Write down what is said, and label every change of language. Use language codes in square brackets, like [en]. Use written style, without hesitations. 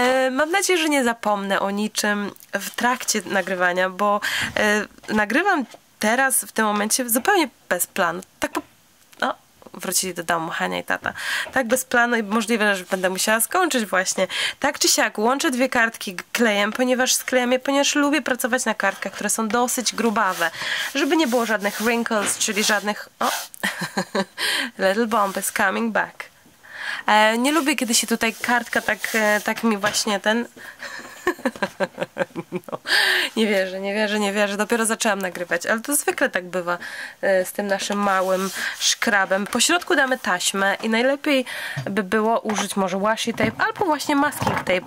[pl] Mam nadzieję, że nie zapomnę o niczym w trakcie nagrywania, bo nagrywam teraz, w tym momencie, zupełnie bez planu. Tak po... O, wrócili do domu Hania i tata. Tak bez planu i możliwe, że będę musiała skończyć właśnie. Tak czy siak, łączę dwie kartki klejem, ponieważ sklejam je, ponieważ lubię pracować na kartkach, które są dosyć grubawe, żeby nie było żadnych wrinkles, czyli żadnych... [en] O, little bomb is coming back. [pl] Nie lubię, kiedy się tutaj kartka tak mi właśnie ten... No, nie wierzę, dopiero zaczęłam nagrywać, ale to zwykle tak bywa z tym naszym małym szkrabem. Po środku damy taśmę i najlepiej by było użyć może washi tape albo właśnie masking tape.